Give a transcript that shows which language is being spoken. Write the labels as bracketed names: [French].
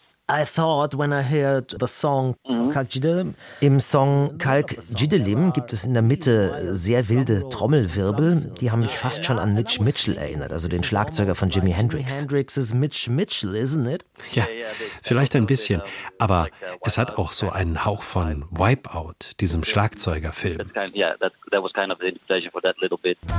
[English] I thought when I heard the song Kalkjidelim. [German] Im Song Kalkjidelim gibt es in der Mitte sehr wilde Trommelwirbel, die haben mich fast schon an Mitch Mitchell erinnert, also den Schlagzeuger von Jimi Hendrix. [English] Hendrix [German] ist [English] Mitch Mitchell, isn't it? [German] Ja, vielleicht ein bisschen, aber es hat auch so einen Hauch von Wipeout, diesem Schlagzeugerfilm. [English] That was kind of the inspiration for that little bit.